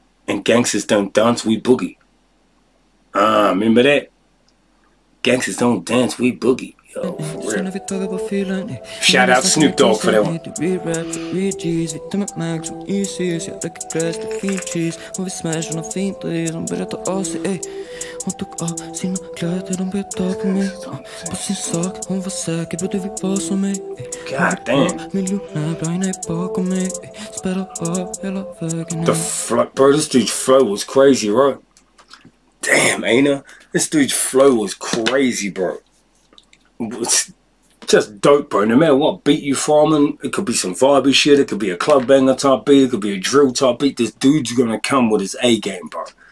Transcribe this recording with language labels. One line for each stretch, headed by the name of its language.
English: And gangsters don't dance, we boogie. Ah, remember that? Gangsters don't dance, we boogie. Yo, for real. Shout out Snoop Dogg for that one.
Swedish: Hon tog av sina kläder, de började ta på mig. På sin sak, hon var säker, bror du vill vara som mig.
English: God damn.
Swedish: Miljonär, brajna är bakom mig. Spärra av hela vägen.
English: The flow, bro, this dude's flow was crazy, right? Damn, Einar. This dude's flow was crazy, bro. just dope, bro. No matter what beat you from, and it could be some vibey shit, it could be a club banger type beat, it could be a drill type beat, this dude's gonna come with his A game, bro.